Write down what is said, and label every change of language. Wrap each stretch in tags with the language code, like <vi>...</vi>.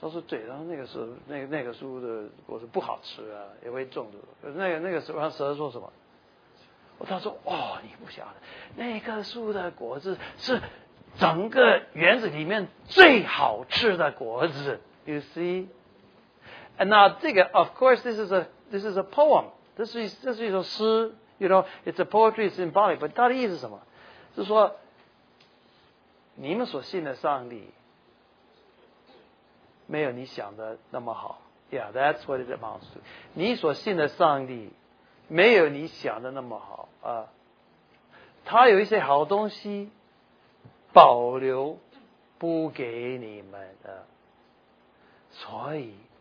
<zh>他说：“对，然后那个蛇那个树的果子不好吃啊，也会中毒。” 那个蛇说什么？他说：“哦，你不晓得，那棵树的果子是整个园子里面最好吃的果子。</zh> <en>You see。” And now, of course, this is a poem. This is</en> <zh>一首诗</zh> <en>you know, it's a poetry symbolic.</en> <zh>But 它的意思是什么？是说，你们所信的上帝没有你想的那么好。</zh> <en>Yeah, that's what it amounts to.</en> <zh>你所信的上帝没有你想的那么好啊。他有一些好东西保留不给你们的，所以。</zh>